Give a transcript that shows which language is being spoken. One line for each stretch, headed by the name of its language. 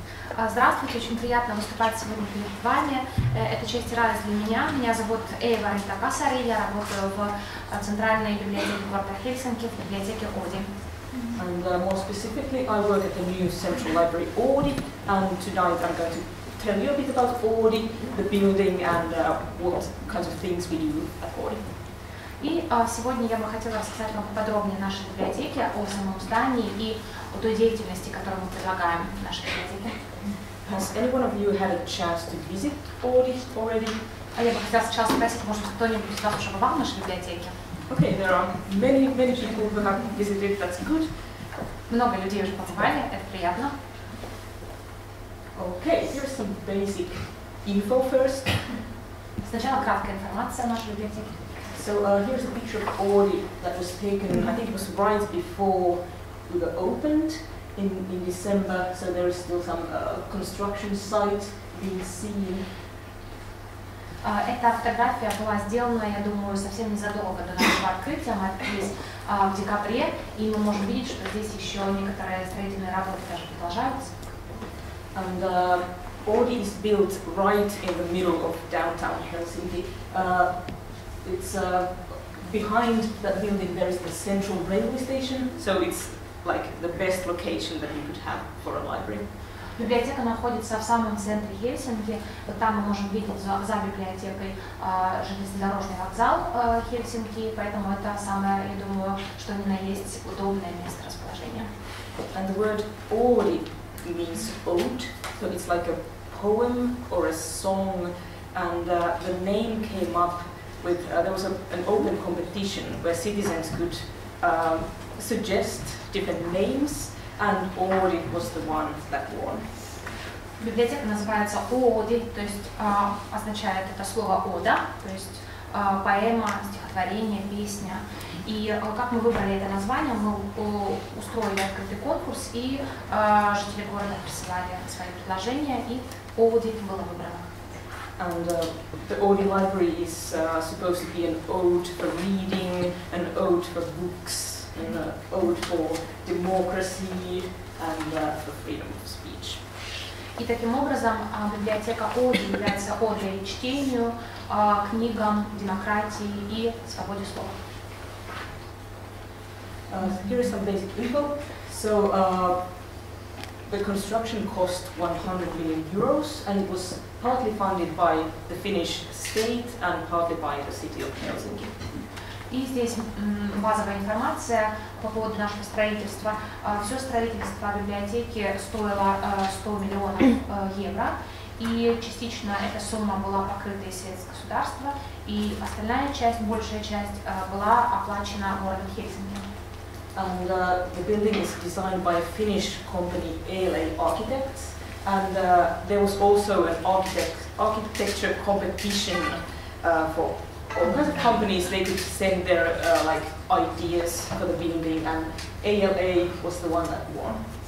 Russian: Здравствуйте, очень приятно выступать сегодня перед вами. Это честь и радость для меня. Меня зовут Ээва Рита-Касари, я работаю в центральной библиотеке города Хельсинки, в библиотеке Oodi.
English: And more specifically, I work at the new central library Oodi, and tonight I'm going to tell you a bit about Oodi, the building, and what kinds of things we do at Oodi.
Russian: И сегодня я бы хотела рассказать вам подробнее о нашей библиотеке, о самом здании и о той деятельности, которую мы предлагаем в нашей библиотеке.
English: Has anyone of you had a chance to visit Oodi already?
Russian: А я бы хотела сейчас спросить, может, кто-нибудь из вас уже бывал в нашей библиотеке?
English: Okay, there are many, many people who have visited, that's good.
Russian: Много людей уже побывали, это приятно.
English: Okay, here's some basic info first.
Russian: Сначала краткая информация о нашей библиотеке.
English: So here's a picture of Oodi that was taken, I think it was right before we were opened in December, so there is still some construction site being seen.
Russian: Эта фотография была сделана, я думаю, совсем незадолго до нашего открытия, мы открылись в декабре, и мы можем видеть, что здесь еще некоторые строительные работы даже продолжаются.
English: And Oodi is built right in the middle of downtown Helsinki. It's behind that building there is the central railway station, so it's like the best location that you could have for a library.
Russian: Библиотека находится в самом центре Хельсинки. Вот там мы можем видеть за библиотекой железнодорожный вокзал Хельсинки, поэтому это самое, я думаю, что ни на есть удобное место расположения.
English: And the word Oodi means ode, so it's like a poem or a song, and the name came up with there was an open competition where citizens could suggest different names, and Oodi was the one that won.
Russian: Библиотека называется Oodi, то есть означает это слово ода, то есть поэма, стихотворение, песня. И как мы выбрали это название, мы устроили открытый конкурс, и жители города присылали свои предложения, и Oodi было выбрано.
English: And the Oodi library is supposed to be an ode for reading, an ode for books, an ode for democracy, and for freedom of speech.
Russian: И таким образом библиотека Oodi является одой чтению, книгам, демократии и свободе слова.
English: Here is some basic info. So the construction cost 100 million euros, and it was partly funded by the Finnish state and partly by the city of Helsinki.
Russian: И здесь базовая информация по поводу нашего строительства. Все строительство библиотеки стоило 100 миллионов евро, и частично эта сумма была покрыта из средств государства, и остальная часть, большая часть, была оплачена городом Хельсинки.
English: And the building is designed by a Finnish company, ALA Architects, and there was also an architecture competition for all kinds of companies. They could send their like ideas for the building, and ALA was the one that won.